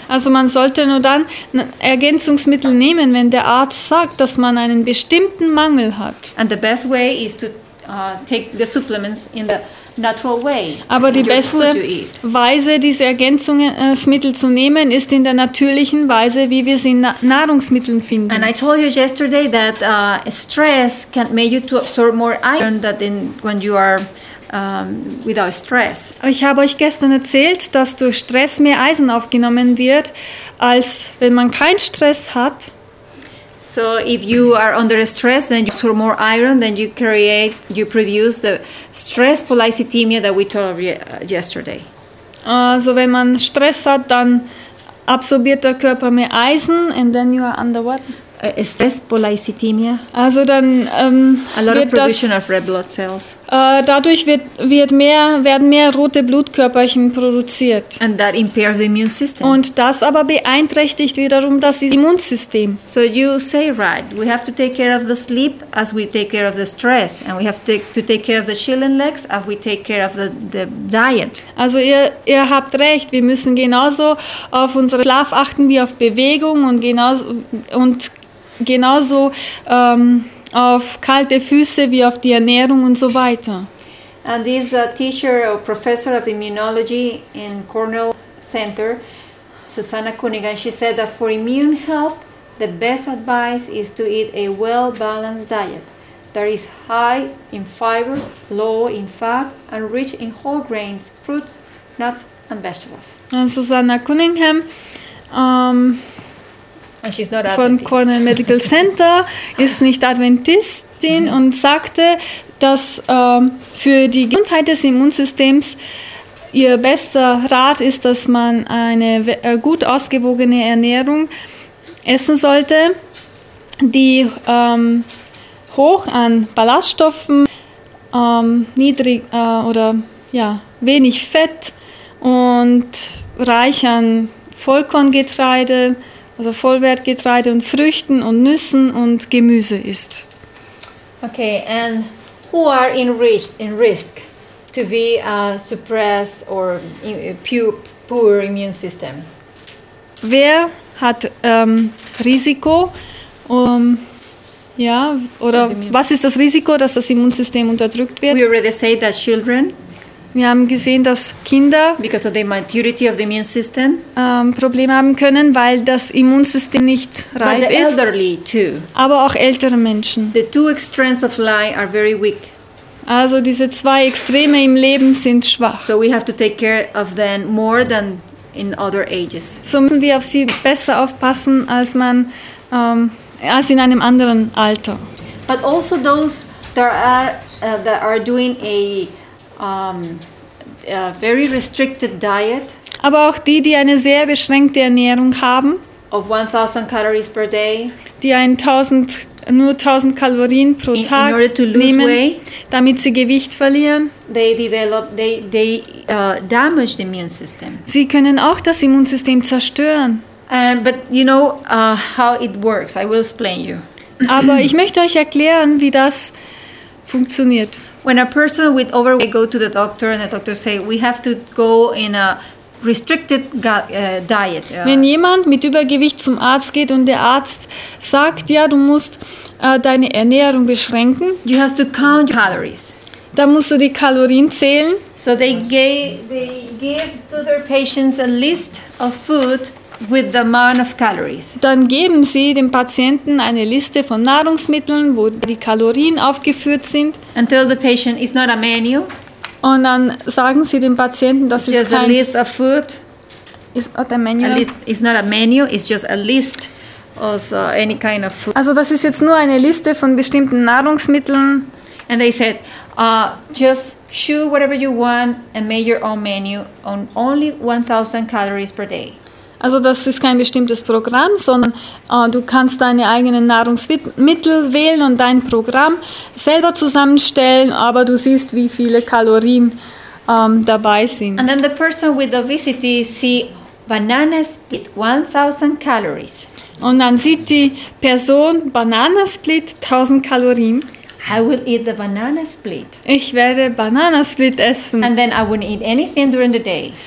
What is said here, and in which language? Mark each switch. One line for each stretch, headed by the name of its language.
German: Also man sollte nur dann Ergänzungsmittel nehmen, wenn der Arzt sagt, dass man einen bestimmten Mangel hat.
English: And the best way is to take the supplements in the natural way.
German: Aber die beste Weise, diese Ergänzungsmittel zu nehmen, ist in der natürlichen Weise, wie wir sie in Nahrungsmitteln finden.
English: And I told you yesterday that stress can make you to absorb more iron than when you are without stress.
German: Ich habe euch gestern erzählt, dass durch Stress mehr Eisen aufgenommen wird, als wenn man keinen Stress hat.
English: So if you are under stress, then you absorb more iron, then you produce the stress polycythemia that we told you yesterday.
German: Also wenn man Stress hat, dann absorbiert der Körper mehr Eisen, and then you are under what?
English: Stress polycythemia.
German: Also dann
English: a lot of production of red blood cells.
German: Dadurch werden mehr rote Blutkörperchen produziert.
English: And that impairs the immune system.
German: Und das aber beeinträchtigt wiederum das Immunsystem.
English: So you say right, we have to take care of the sleep as we take care of the stress, and we have to take care of the chilling legs as we take care of the diet.
German: Also ihr habt recht, wir müssen genauso auf unseren Schlaf achten wie auf Bewegung und genauso auf kalte Füße wie auf die Ernährung und so weiter.
English: And this teacher or professor of immunology in Cornell Center, Susanna Cunningham, she said that for immune health, the best advice is to eat a well-balanced diet that is high in fiber, low in fat, and rich in whole grains, fruits, nuts, and vegetables. And Susanna Cunningham, and she's not
German: von Cornell Medical Center, ist nicht Adventistin und sagte, dass für die Gesundheit des Immunsystems ihr bester Rat ist, dass man eine gut ausgewogene Ernährung essen sollte, die hoch an Ballaststoffen, wenig Fett und reich an Vollkorngetreide, also Vollwertgetreide und Früchten und Nüssen und Gemüse ist.
English: Okay, and who are in risk? to be suppressed or poor immune system.
German: Wer hat Risiko? Ja, oder was ist das Risiko, dass das Immunsystem unterdrückt wird?
English: We already say that children.
German: Wir haben gesehen, dass Kinder
English: because of the maturity of the immune system,
German: Probleme haben können, weil das Immunsystem nicht reif
English: but the
German: ist.
English: Elderly too.
German: Aber auch ältere Menschen.
English: The two extremes of life are very weak.
German: Also diese zwei Extreme im Leben sind schwach.
English: So we have to take care of them more than in other ages.
German: So müssen wir auf sie besser aufpassen als man als in einem anderen Alter.
English: But also those that are doing a very restricted diet.
German: Aber auch die, die eine sehr beschränkte Ernährung haben.
English: Of 1,000 calories per day.
German: Die nur 1,000 Kalorien pro Tag nehmen, damit sie Gewicht verlieren.
English: They damage the immune system.
German: Sie können auch das Immunsystem zerstören.
English: But you know how it works. I will explain you.
German: Aber ich möchte euch erklären, wie das funktioniert.
English: When a person with overweight go to the doctor and the doctor say we have to go in a restricted diet.
German: Wenn jemand mit Übergewicht zum Arzt geht und der Arzt sagt, ja, du musst deine Ernährung beschränken.
English: You have to count your calories.
German: Da musst du die Kalorien zählen.
English: So they give to their patients a list of food with the amount of calories.
German: Dann geben sie dem Patienten eine Liste von Nahrungsmitteln, wo die Kalorien aufgeführt sind.
English: Until the patient is not a menu.
German: Und dann sagen sie dem Patienten, dass es kein...
English: A list of food. It's not a menu. It's not a menu, it's just a list of any kind of food.
German: Also das ist jetzt nur eine Liste von bestimmten Nahrungsmitteln.
English: And they said, just choose whatever you want and make your own menu on only 1,000 calories per day.
German: Also das ist kein bestimmtes Programm, sondern du kannst deine eigenen Nahrungsmittel wählen und dein Programm selber zusammenstellen, aber du siehst, wie viele Kalorien dabei sind.
English: And then the person with obesity see bananas with 1,000 calories.
German: Und dann sieht die Person Bananensplit 1,000 Kalorien.
English: I will eat the banana split.
German: Ich werde Bananensplit essen.
English: And then I won't eat anything during the day.